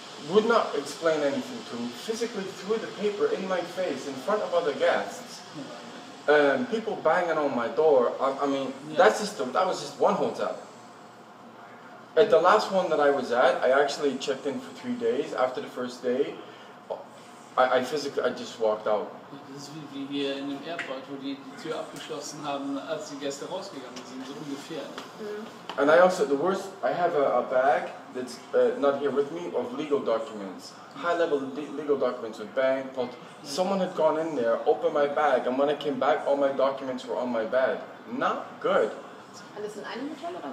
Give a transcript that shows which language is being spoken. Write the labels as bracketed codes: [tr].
[en] Would not explain anything to him. Physically threw the paper in my face in front of other guests. People banging on my door. I mean, that was just one hotel. At the last one that I was at, I actually checked in for 3 days. After the first day, I just walked out. [de] Das ist wie hier in dem Airport, wo die Tür abgeschlossen haben, als die Gäste rausgegangen sind, so ungefähr. Mm. [en] And I also, the worst, I have a bag that's not here with me of legal documents. High-level legal documents with bank, but someone had gone in there, opened my bag, and when I came back, all my documents were on my bed. Not good. And it's [de] in einem Hotel oder